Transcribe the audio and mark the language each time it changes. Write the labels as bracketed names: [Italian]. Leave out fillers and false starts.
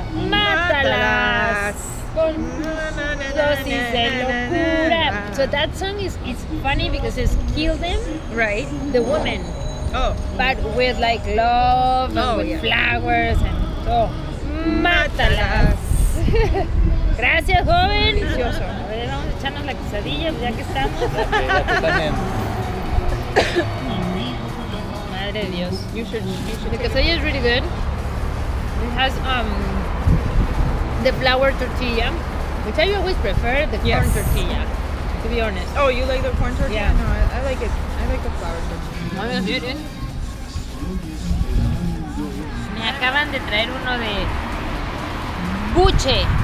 [Spanish] Mátalas con dosis de locura. [English] So that song is funny because it's kill them, right? The woman. Oh. But with like love and with flowers and so. [Spanish] Mátalas. Gracias, joven. Delicioso. A ver, vamos a echarnos la quesadilla ya que estamos. Madre de Dios. [English] You should. The quesadilla is really good. It has the flour tortilla, which I always prefer the corn tortilla. To be honest. Oh, you like the corn tortilla? No, I like it. I like the flour tortilla. Want to [Spanish] Me acaban de traer uno de buche.